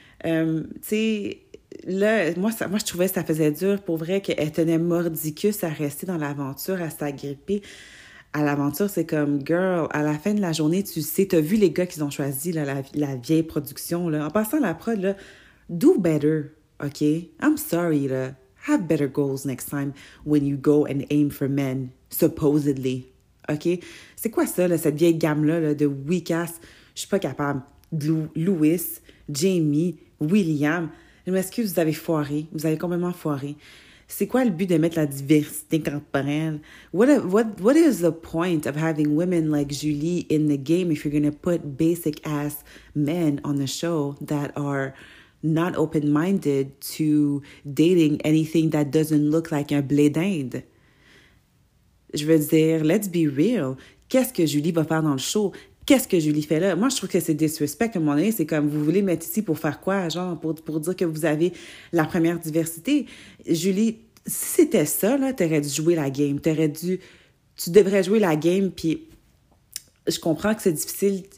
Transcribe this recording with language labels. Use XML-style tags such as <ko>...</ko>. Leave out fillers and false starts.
<fr>Tu sais, là, moi, je trouvais que ça faisait dur pour vrai qu'elle tenait mordicus à rester dans l'aventure, à s'agripper à l'aventure. C'est comme, girl, à la fin de la journée, tu sais, t'as vu les gars qu'ils ont choisi, là, la vieille production, là. En passant, la prod, là,</fr> <en>do better,</en> <fr>OK?</fr> <en>I'm sorry, là. Have better goals next time when you go and aim for men, supposedly, OK?</en> <fr>C'est quoi ça, là, cette vieille gamme-là, là, de weak ass? Je suis pas capable. Louis, Jamie, William, je m'excuse, vous avez foiré. Vous avez complètement foiré. C'est quoi le but de mettre la diversité corporelle?</fr> <en>What is the point of having women like Julie in the game if you're gonna put basic ass men on the show that are not open-minded to dating anything that doesn't look like</en> <fr>un blé d'Inde? Je veux dire,</fr> <en>let's be real.</en> <fr>Qu'est-ce que Julie va faire dans le show? Qu'est-ce que Julie fait là? Moi, je trouve que c'est disrespect. À un moment donné, c'est comme, vous voulez mettre ici pour faire quoi, genre, pour dire que vous avez la première diversité? Julie, si c'était ça, là, t'aurais dû jouer la game. Tu devrais jouer la game, puis je comprends que c'est difficile.</fr>